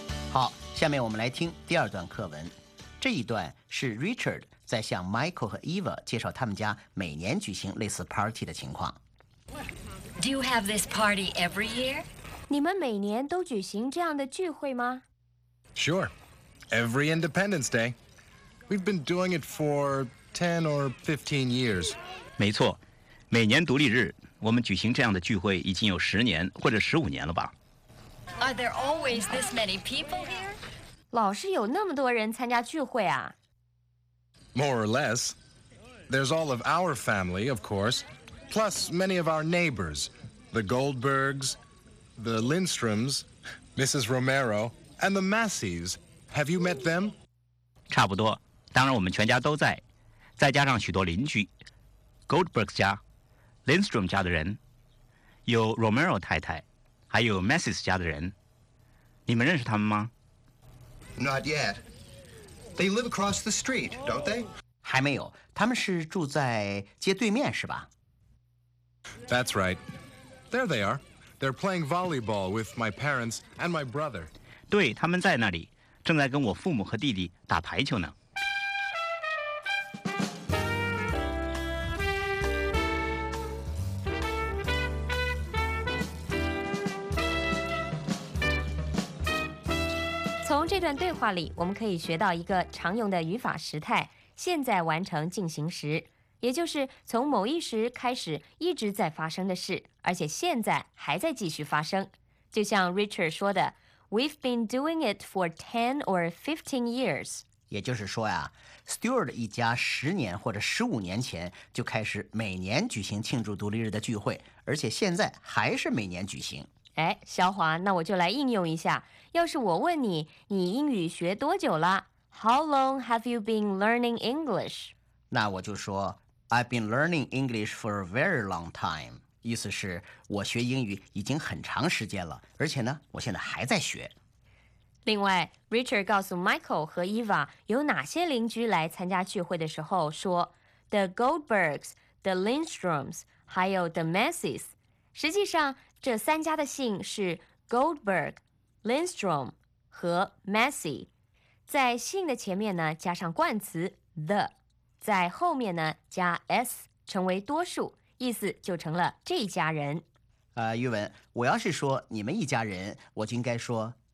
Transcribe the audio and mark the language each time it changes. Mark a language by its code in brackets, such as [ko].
[zh] 好，下面我们来听第二段课文。这一段是 Richard 在向 Michael 和 Eva 介绍他们家每年举行类似 party 的情况。 [en] Do you have this party every year? [zh] 你们每年都举行这样的聚会吗？ [en] Sure. Every Independence Day. We've been doing it for 10 or 15 years. [zh] 没错，每年独立日，我们举行这样的聚会已经有10年或者15年了吧。 [en] Are there always this many people here? [zh] 老是有那么多人参加聚会啊。 [en] More or less. There's all of our family, of course. Plus many of our neighbors. The Goldbergs, the Lindstroms, Mrs. Romero, and the Massies. Have you met them? [zh] 差不多，当然我们全家都在，再加上许多邻居。 Goldberg 家， Lindstrom 家的人，有 Romero 太太，还有 Massies 家的人。你们认识他们吗？ [en] Not yet. They live across the street, don't they? [zh] 还没有，他们是住在街对面，是吧？ [en] That's right. There they are. They're playing volleyball with my parents and my brother. [zh] 对，他们在那里，正在跟我父母和弟弟打排球呢。从这段对话里，我们可以学到一个常用的语法时态，现在完成进行时，也就是从某一时开始一直在发生的事，而且现在还在继续发生。就像 Richard 说的 [en] We've been doing it for 10 or 15 years. [zh] 也就是说呀， Stewart 一家10年或者15年前就开始每年举行庆祝独立日的聚会，而且现在还是每年举行。哎，小华，那我就来应用一下。要是我问你，你英语学多久了 ？ [en] How long have you been learning English？ [zh] 那我就说 ， [en] I've been learning English for a very long time。 [zh] 意思是我学英语已经很长时间了，而且呢，我现在还在学。另外 Richard 告诉 Michael 和 Eva 有哪些邻居来参加聚会的时候说 The Goldbergs, The Lindstroms, 还有 The Messies 实际上这三家的姓是 Goldberg, Lindstrom 和 Messy 在姓的前面呢加上冠词 The 在后面呢加 S 成为多数意思就成了这一家人玉文我要是说你们一家人我就应该说